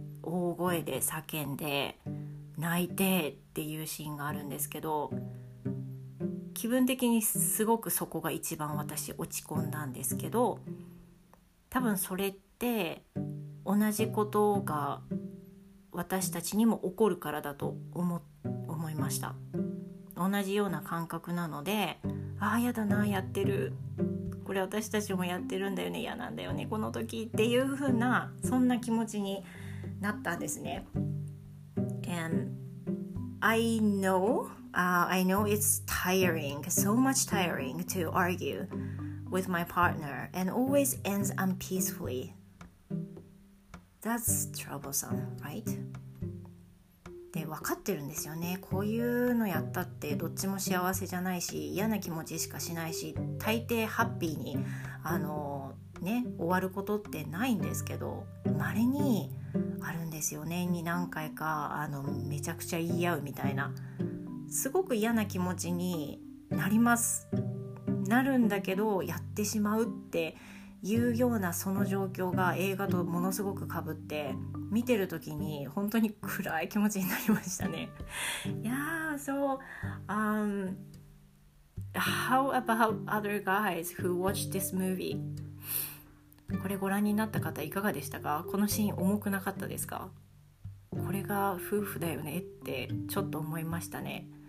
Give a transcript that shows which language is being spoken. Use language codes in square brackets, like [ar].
[ja] 大声で叫んで泣いてっていうシーンがあるんですけど、気分的にすごくそこが一番私落ち込んだんですけど、多分それって同じことが私たちにも起こるからだと 思いました。同じような感覚なので、ああやだな、やってる、これ私たちもやってるんだよね、嫌なんだよねこの時っていう風な、そんな気持ちになったんですね。 [en] And I know it's tiring, so much tiring to argue with my partner and always ends unpeacefully. That's troublesome, right? [ja] で、分かってるんですよね。こういうのやったってどっちも幸せじゃないし、嫌な気持ちしかしないし、大抵ハッピーに終わることってないんですけど、まれにあるんですよね。年に何回かめちゃくちゃ言い合うみたいな、すごく嫌な気持ちになります、なるんだけどやってしまうっていうような、その状況が映画とものすごく被って、見てる時に本当に暗い気持ちになりましたね。 [en] Yeah, so how about other guys who watched this movie? [ja] これご覧になった方いかがでしたか？このシーン重くなかったですか？これが夫婦だよねってちょっと思いましたね。